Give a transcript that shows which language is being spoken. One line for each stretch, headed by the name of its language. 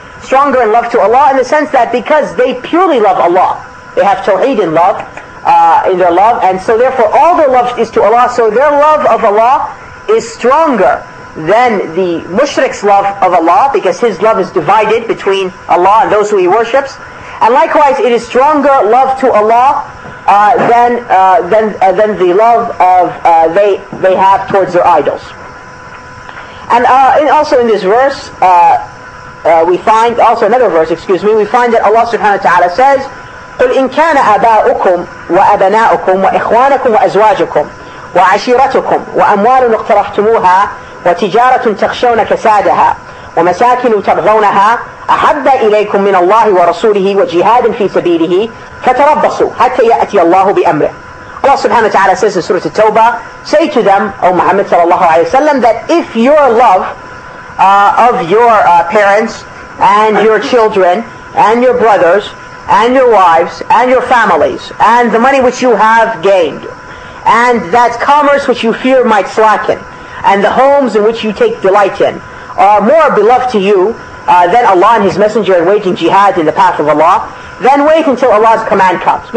English: Stronger in love to Allah in the sense that because they purely love Allah, they have tawheed in love, in their love, and so therefore all their love is to Allah, so their love of Allah is stronger than the mushrik's love of Allah, because his love is divided between Allah and those who he worships. And likewise, it is stronger love to Allah than the love of they have towards their idols. And also in this verse, we find also another verse. Excuse me. We find that Allah Subhanahu wa Taala says,
Arabic: "قل إن كان آباؤكم وأبناؤكم وإخوانكم وأزواجكم وعشيرتكم وأموال اقترحتموها وتجارة تخشون كسادها ومساكن ترضونها أحب إليكم من الله ورسوله وجهاد في سبيله فتربصوا حتى يأتي الله بأمره."
English: Allah Subhanahu wa Taala says in Surah At-Tawbah, "Say to them, O Muhammad sallallahu alaihi wasallam, that if your love of your parents and your children and your brothers and your wives and your families and the money which you have gained and that commerce which you fear might slacken and the homes in which you take delight in are more beloved to you than Allah and His Messenger in waging jihad in the path of Allah, then wait until Allah's command comes."